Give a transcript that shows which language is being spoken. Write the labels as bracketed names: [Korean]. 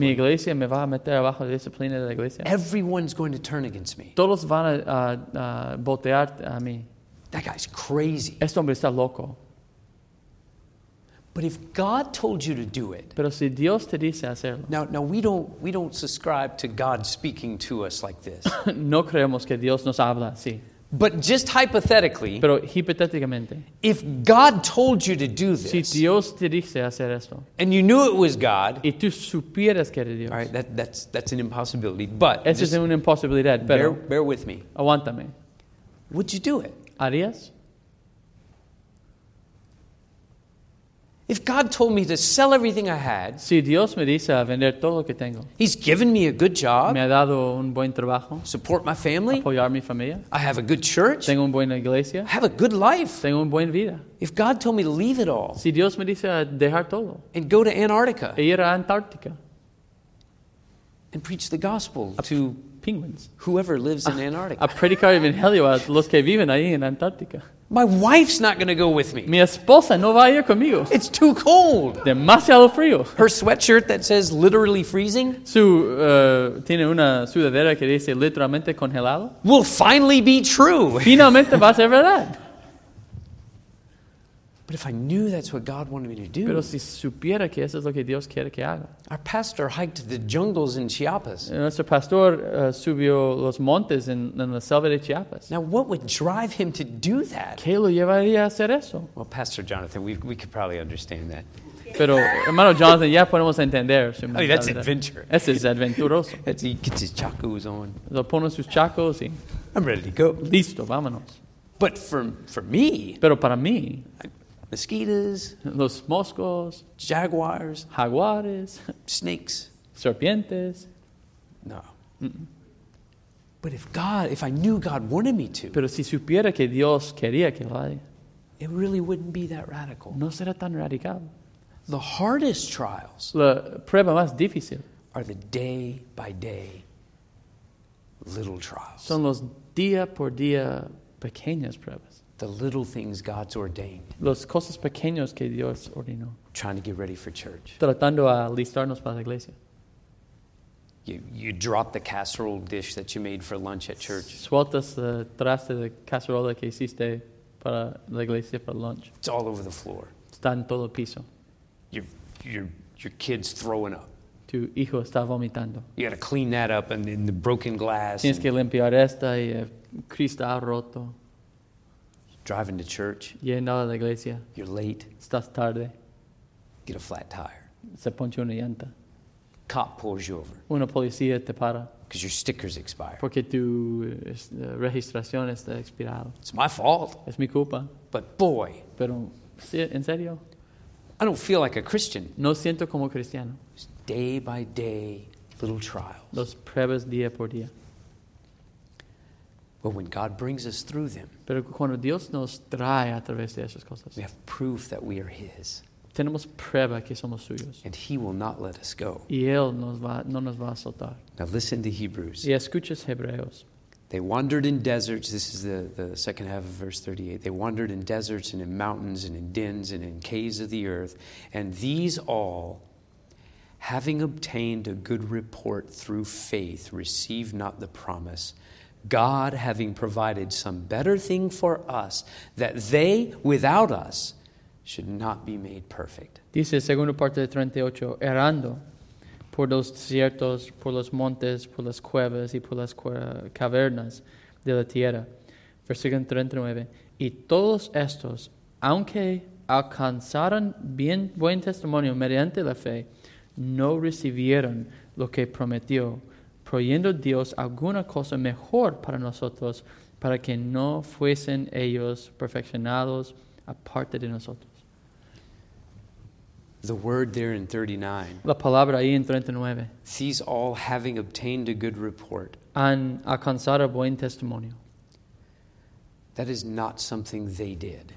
[Spanish] Mi iglesia me va a meter bajo disciplina de la iglesia. [English] Everyone's going to turn against me. [Spanish] Todos van a voltear a mí. [English] That guy's crazy. [Spanish] Este hombre está loco. [English] But if God told you to do it. [Spanish] Pero si Dios te dice hacerlo. [English] Now we don't subscribe to God speaking to us like this. [Spanish] No creemos que Dios nos habla así. [English] But just hypothetically. [Spanish] Pero hipotéticamente. [English] If God told you to do this. [Spanish] Si Dios te dice hacer esto. [English] And you knew it was God. [Spanish] Y tú supieras que era Dios. [English] All right, that's an impossibility. But [Spanish] eso es una imposibilidad, pero [English] bear with me. [Spanish] Aguántame. [English] Would you do it? [Spanish] ¿Harías? [English] If God told me to sell everything I had, [Spanish] si Dios me dice a vender todo lo que tengo, [English] He's given me a good job, [Spanish] me ha dado un buen trabajo, [English] support my family, [Spanish] apoyar mi familia, [English] I have a good church, [Spanish] tengo una buena iglesia, [English] I have a good life, [Spanish] tengo una buena vida. [English] If God told me to leave it all, [Spanish] si Dios me dice a dejar todo, [English] and go to Antarctica, [Spanish] e ir a Antarctica, [English] and preach the gospel to penguins, whoever lives in Antarctica, [Spanish] a predicar evangelio a los que viven ahí en Antarctica. [English] My wife's not going to go with me. [Spanish] Mi esposa no va a ir conmigo. [English] It's too cold. [Spanish] Demasiado frío. [English] Her sweatshirt that says literally freezing. [Spanish] Tiene una sudadera que dice literalmente congelado. [English] Will finally be true. [Spanish] Finalmente va a ser verdad. [English] But if I knew that's what God wanted me to do. [Spanish] Pero si supiera que eso es lo que Dios quiere que haga. [English] Our pastor hiked the jungles in Chiapas. [Spanish] Nuestro pastor subió los montes en la selva de Chiapas. [English] Now what would drive him to do that? [Spanish] ¿Qué lo llevaría a hacer eso? [English] Well, Pastor Jonathan, we could probably understand that. [Spanish] Pero hermano Jonathan, ya podemos entender. [English] I mean, that's adventure. [Spanish] Eso es aventuroso. [English] He gets his chacos on. [Spanish] Lo pone sus chacos y... [English] I'm ready to go. [Spanish] Listo, vámonos. [English] But for me... [Spanish] Pero para mí... [English] Mosquitoes, [Spanish] los moscos, [English] jaguars, [Spanish] jaguares, [English] snakes, [Spanish] serpientes. [English] No. Mm-mm. But if I knew God wanted me to, [Spanish] pero si supiera que Dios quería que lo haya, [English] it really wouldn't be that radical. [Spanish] No será tan radical. [English] The hardest trials, [Spanish] la prueba más difícil, [English] are the day by day little trials. [Spanish] Son los día por día pequeñas pruebas. [English] The little things God's ordained. [Spanish] Los cosas pequeños que Dios ordenó. [English] Trying to get ready for church. [Spanish] Tratando a listarnos para la iglesia. [English] You drop the casserole dish that you made for lunch at church. [Spanish] Sueltas el traste de cacerola que hiciste para la iglesia para lunch. [English] It's all over the floor. [Spanish] Está en todo el piso. [English] Your kid's throwing up. [Spanish] Tu hijo está vomitando. [English] You gotta clean that up and then the broken glass. [Spanish] Tienes que limpiar esta y el cristal roto. [English] Driving to church. [Spanish] Yendo a la iglesia. [English] You're late. [Spanish] Estás tarde. [English] Get a flat tire. [Spanish] Se ponte una llanta. [English] Cop pulls you over. [Spanish] Una policía te para. [English] Because your sticker's expired. [Spanish] Porque tu registración está expirada. [English] It's my fault. [Spanish] Es mi culpa. [English] But boy. [Spanish] Pero, ¿sí, en serio? [English] I don't feel like a Christian. [Spanish] No siento como cristiano. [English] It's day by day, little trials. [Spanish] Los pruebas día por día. [English] But when God brings us through them, [Spanish] pero cuando Dios nos trae a través de esas cosas, [English] we have proof that we are His. [Spanish] Tenemos prueba que somos suyos. [English] And He will not let us go. [Spanish] Y Él no nos va a soltar. [English] Now listen to Hebrews. [Spanish] Y escuchas Hebreos. [English] They wandered in deserts. This is the second half of verse 38. They wandered in deserts and in mountains and in dens and in caves of the earth. And these all, having obtained a good report through faith, received not the promise, God having provided some better thing for us, that they, without us, should not be made perfect. [Spanish] Dice, segunda parte de 38, errando por los desiertos, por los montes, por las cuevas y por las cavernas de la tierra. Versículo 39, y todos estos, aunque alcanzaron buen testimonio mediante la fe, no recibieron lo que prometió, proyendo Dios alguna cosa mejor para nosotros, para que no fuesen ellos perfeccionados aparte de nosotros. [English] The word there in 39. [Spanish] La palabra ahí en 39. [English] These all having obtained a good report. [Spanish] Han alcanzado buen testimonio. [English] That is not something they did.